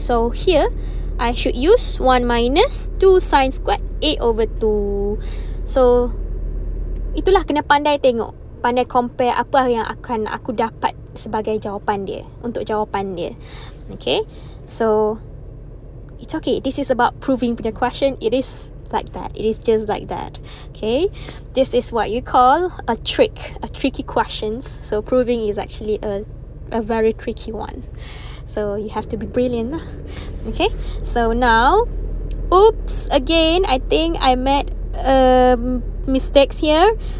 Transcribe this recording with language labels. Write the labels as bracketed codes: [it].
[en] So, here, I should use 1 minus 2 sin squared A over 2. [ms] So, itulah kena pandai tengok. Pandai compare apa yang akan aku dapat sebagai jawapan dia, untuk jawapan dia. [en] Okay, so it's okay, this is about proving punya question. It is like that. It is just like that. Okay, this is what you call a trick, a tricky questions. So proving is actually a very tricky one. So you have to be brilliant. Okay, so now, oops, again, I think I made mistakes here.